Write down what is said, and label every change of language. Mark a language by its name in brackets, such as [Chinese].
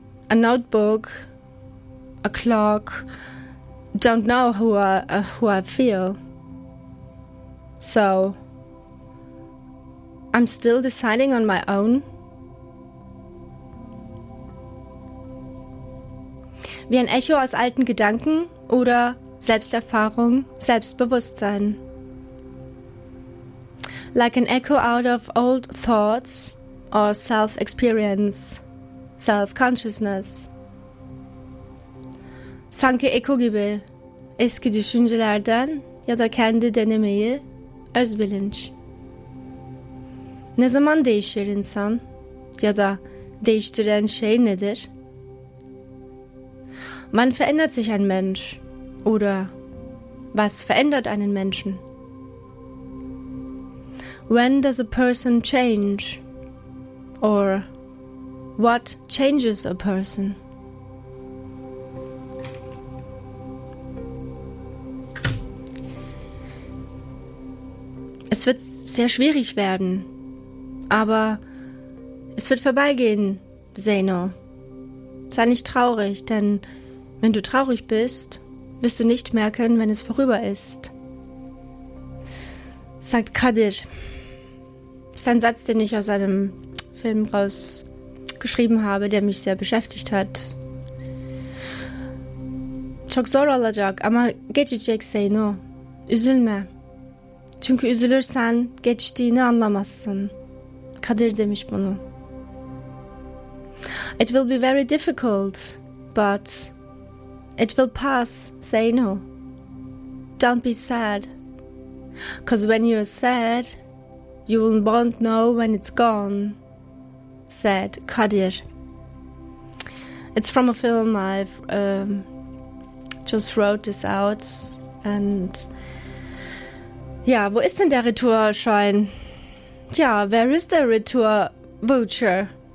[English] A notebook, a clock, don't know who I feel. So I'm still deciding on my own. [German] Wie ein Echo aus alten Gedanken oder Selbsterfahrung, Selbstbewusstsein. [English] Like an echo out of old thoughts or self-experience, self-consciousness. [Turkish] Sanki echo gibi, eski düşüncelerden ya da kendi denemeyi, özbilinç. Ne zaman değişir insan ya da değiştiren şey nedir? [German] Wann verändert sich ein Mensch? Oder was verändert einen Menschen? [English] When does a person change? Or what changes a person? [German] Es wird sehr schwierig werden, aber es wird vorbeigehen, Zeno. Sei nicht traurig, denn wenn du traurig bist, wirst du nicht merken, wenn es vorüber ist. Sagt Kadir. Das ist ein Satz, den ich aus einem Film rausgeschrieben habe, der mich sehr beschäftigt hat. [Turkish] Çok zor olacak ama geçecek Zeyno. Üzülme. Çünkü üzülürsen geçtiğini anlamazsın. Kadir demiş bunu. [English] It will be very difficult, but it will pass, say no. Don't be sad. Because when you're sad, you won't know when it's gone, said Kadir. It's from a film. I've just wrote this out. [German] And ja, wo ist denn der Retourschein? [English] Tja, where is the retour voucher?